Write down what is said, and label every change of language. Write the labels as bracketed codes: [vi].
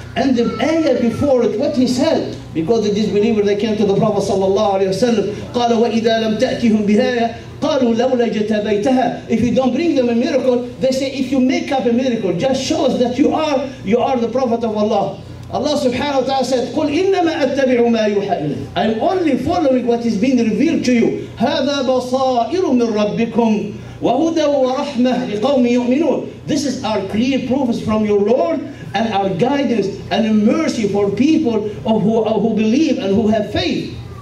[en] And the ayah before it, what he said, because the disbelievers, they came to the Prophet sallallahu alayhi wa sallam, [ar] قَالَ وَإِذَا لَمْ تَأْتِهُمْ بِهَايَةً قَالُوا لَوْلَا جَتَبَيْتَهَا. [en] If you don't bring them a miracle, they say, if you make up a miracle, just show us that you are the Prophet of Allah. Allah subhanahu wa ta'ala said, [ar] قُلْ إِنَّمَا أَتَّبِعُ مَا يُوحَى إِلَيَّ. [en] I'm only following what is being revealed to you. [ar] هَذَا بَصَائِرُ مِنْ رَبِّكُمْ وَهُدًى وَرَحْمَةٌ لِقَوْمٍ يُؤْمِنُونَ. [en] This is our clear proofs from your Lord and our guidance and mercy for people who believe and who have faith.